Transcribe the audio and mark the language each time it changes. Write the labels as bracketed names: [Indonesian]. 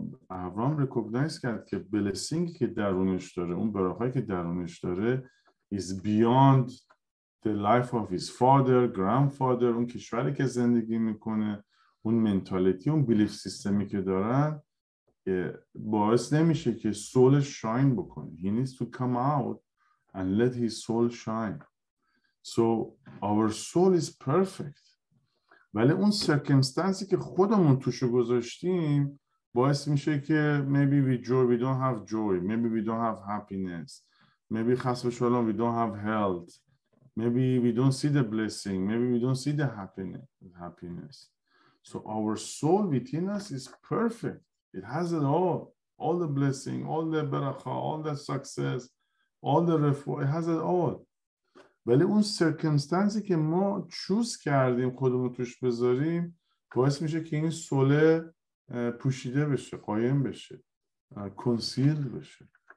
[Persian] ابراهام ریکوگنایز کرد که بلسینگی که درونش داره اون برخه هایی که درونش داره [English] is beyond the life of his father, [Persian] grandfather, اون کشوری که زندگی میکنه. اون منتالیتی اون بیلیف سیستمی که دارن باعث نمیشه که سول شاین بکنه. [English] He needs to come out and let his soul shine. So our soul is perfect. [Persian] ولی اون سرکمستنسی که خودمون توشو گذاشتیم باعث میشه که [English] maybe we don't have joy, maybe we don't have happiness, maybe خسف شوالان we don't have health, maybe we don't see the blessing, maybe we don't see the happiness. So our soul within us is perfect. It has it all the blessing, all the barakah, all the success, all the refuah, it has it all. [Persian] ولی اون سرکمستنسی که ما چوز کردیم خودمون توش بذاریم باعث میشه که این soul پوشیده بشه, قایم بشه, concealed بشه.